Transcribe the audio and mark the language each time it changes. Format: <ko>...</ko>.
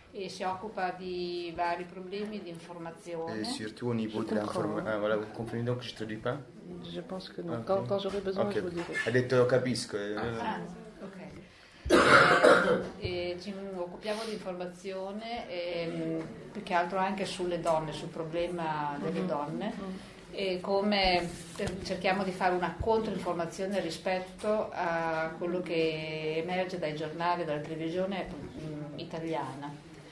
<it>E si occupa di vari problemi di informazione.</it> <fr>Et surtout au niveau de l'information. Ah, voilà, vous comprenez donc que je traduis pas? Je pense que non. Okay. Quand j'aurai besoin, okay. Je vous dirai.</fr> <it>Ha detto capisco. Ah, ok. E ci occupiamo di informazione e, più che altro anche sulle donne, sul problema delle donne. E come cerchiamo di fare una controinformazione rispetto a quello che emerge dai giornali, dalla televisione italiana.</it>